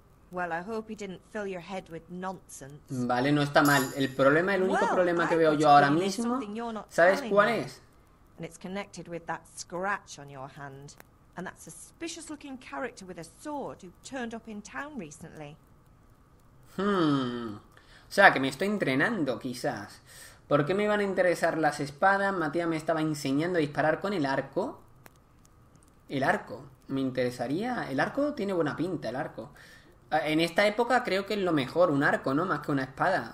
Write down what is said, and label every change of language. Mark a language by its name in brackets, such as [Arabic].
[English] Well, I hope he didn't fill your head with nonsense. [Spanish] Vale, no está mal. El problema, el único problema que veo yo ahora mismo, ¿sabes cuál es? [English] And it's connected with that scratch on your hand, and that suspicious-looking character with a sword who turned up in town recently. [Spanish] O sea, que me estoy entrenando, quizás. ¿Por qué me iban a interesar las espadas? Matías me estaba enseñando a disparar con el arco. El arco. Me interesaría. El arco tiene buena pinta, el arco. En esta época creo que es lo mejor, un arco, ¿no? Más que una espada.